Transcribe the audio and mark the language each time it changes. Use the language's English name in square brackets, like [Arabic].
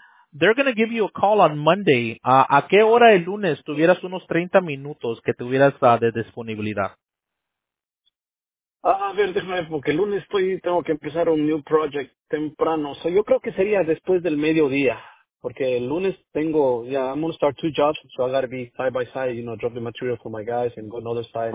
[English] They're going to give you a call on Monday. [Spanish] ¿A qué hora el lunes tuvieras unos 30 minutos que tuvieras de disponibilidad? A ver, déjame, porque el lunes tengo que empezar un [English] new project [Spanish] temprano. So, yo creo que sería después del mediodía. Porque el lunes tengo, [English] I'm going to start two jobs, so I got to be side by side, you know, drop the material for my guys and go another side.